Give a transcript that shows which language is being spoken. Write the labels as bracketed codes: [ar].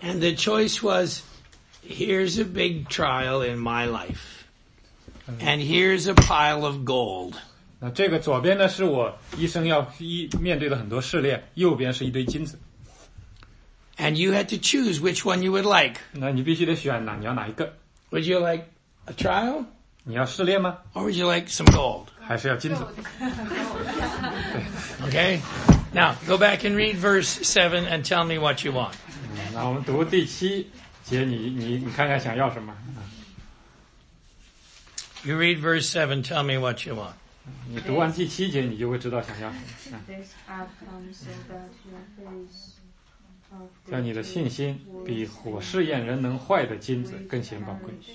[en] and the choice was, here's a big trial in my life. And here's a pile of gold. [zh] 那这个左边呢是我一生要面对的很多试炼，右边是一堆金子。 [en] And you had to choose which one you would like. [zh] 那你必须得选哪，你要哪一个。 [en] Would you like a trial? [zh] 你要试炼吗？ [en] Or would you like some gold? [zh] 还是要金子。 [en] Okay. Now, go back and read verse 7 and tell me what you want. [zh] 那我们读第七节，你看看想要什么。 [en] You read verse 7, tell me what you want. [zh] 你读完第七节你就会知道想要什么。叫你的信心比火试验人能坏的金子更显宝贵。